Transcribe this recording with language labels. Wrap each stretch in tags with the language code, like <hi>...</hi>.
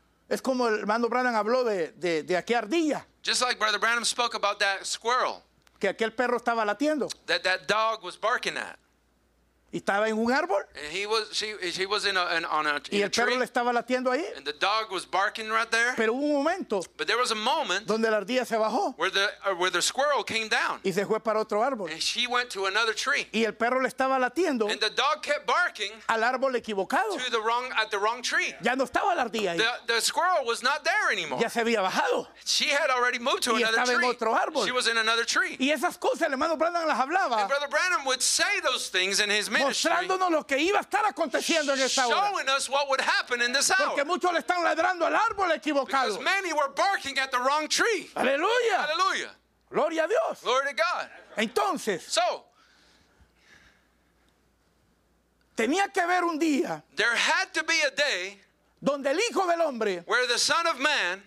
<es>Es como el hermano Branham habló de aquella ardilla.</es> <en>Just like brother Branham spoke about that squirrel.</en> <es>Que aquel perro estaba latiendo.</es> <en>That dog was barking at.</en> <es>Y estaba en un árbol.</es> <en>And he was in on a tree.</en> <es>Y el perro le estaba latiendo ahí.</es> <en>And the dog was barking right there.</en> <es>Pero hubo un momento.</es> <en>But there was a moment.</en> <es>Donde la ardilla se bajó.</es> <en>Where the squirrel came down.</en> <es>Y se fue para otro árbol.</es> <en>And she went to another tree.</en> <es>Y el perro le estaba latiendo.</es> <en>And the dog kept barking.</en> <es>Al árbol equivocado.</es> <en>At the wrong tree.</en> <es>Ya no estaba la ardilla ahí.</es> <en>The squirrel was not there anymore.</en> <es>Ya se había bajado.</es> <en>She had already moved to another tree.</en> <es>Y estaba en otro árbol.</es> <en>She was in another tree.</en> <es>Y esas cosas el hermano Branham las hablaba.</es> <en>And brother Branham would say those things in his ministry.</en> <es>Mostrándonos lo que iba a estar aconteciendo en esa hora.</es> <en>Showing us what would happen in this hour.</en> <es>Porque muchos le están ladrando al árbol equivocado.</es> <en>Because many were barking at the wrong tree.</en> <es>Aleluya. Aleluya. Gloria a Dios.</es> <en>Glory to God.</en> <es>Entonces.</es> <en>So.</en> <es>Tenía que haber un día.</es> <en>There had to be a day.</en> <es>Donde el Hijo del Hombre.</es> <en>Where the Son of Man.</en>